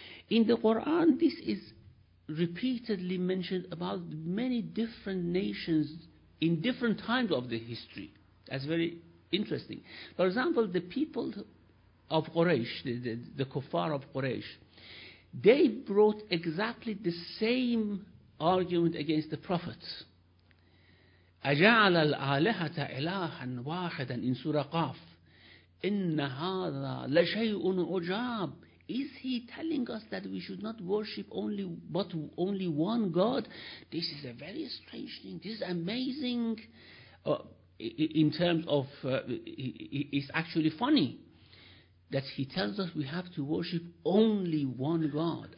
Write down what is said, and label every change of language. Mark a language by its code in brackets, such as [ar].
[en] In the Quran, this is repeatedly mentioned about many different nations in different times of the history. That's very interesting. For example, the people of Quraysh, the kuffar of Quraysh, they brought exactly the same argument against the prophets. [ar] أَجَعَلَ الْآلِهَةَ إِلَٰهًا وَاحِدًا [en] in Surah Qaf. [ar] إِنَّ هَذَا لَشَيْءٌ عُجَابٌ. [en] Is he telling us that we should not worship only one God? This is a very strange thing. This is amazing. In terms of, it's actually funny that he tells us we have to worship only one God.